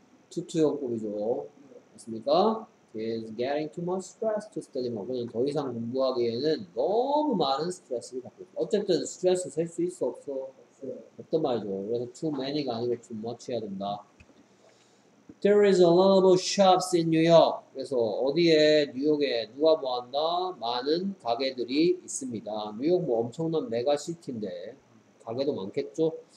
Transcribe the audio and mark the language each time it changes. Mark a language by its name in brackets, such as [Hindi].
[Korean] 투투형법이죠. 맞습니까? [English] He's getting too much stress to study more. [Korean] 그냥 더 이상 공부하기에는 너무 많은 스트레스를 받고 있어. 어쨌든 스트레스 셀 수 있어 없어? 없단 말이죠. 그래서 [English] too many [Korean] 가 아니고 [English] too much [Korean] 해야 된다. [English] There is a lot of shops in New York. [Korean] 그래서 어디에 뉴욕에 누가 뭐 한다? 많은 가게들이 있습니다. 뉴욕 뭐 엄청난 메가시티인데 가게도 많겠죠?